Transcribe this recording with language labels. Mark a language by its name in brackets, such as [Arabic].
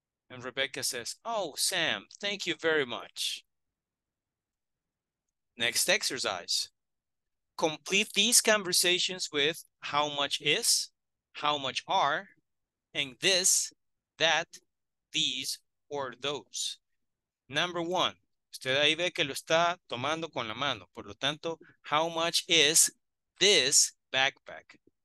[English] And Rebecca says, oh, Sam, thank you very much. Next exercise. Complete these conversations with how much is, how much are, and this, that, these, or those. Number one. [Spanish] Usted ahí ve que lo está tomando con la mano. Por lo tanto, [English] how much is this backpack?